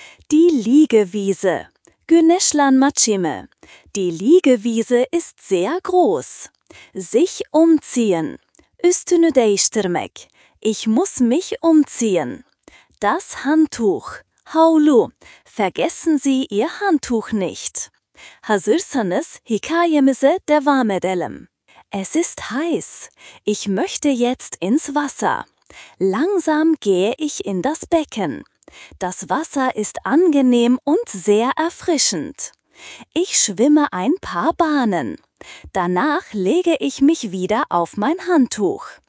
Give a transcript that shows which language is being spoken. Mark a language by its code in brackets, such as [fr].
[de] Die Liegewiese. [tr] Güneşlen maçime. [de] Die Liegewiese ist sehr groß. Sich umziehen. [tr] Üstünü değiştirmek. [de] Ich muss mich umziehen. Das Handtuch. Havlu. Vergessen Sie Ihr Handtuch nicht. [tr] Hazırsanız hikayemize devam edelim. [de] Es ist heiß. Ich möchte jetzt ins Wasser. Langsam gehe ich in das Becken. Das Wasser ist angenehm und sehr erfrischend. Ich schwimme ein paar Bahnen. Danach lege ich mich wieder auf mein Handtuch.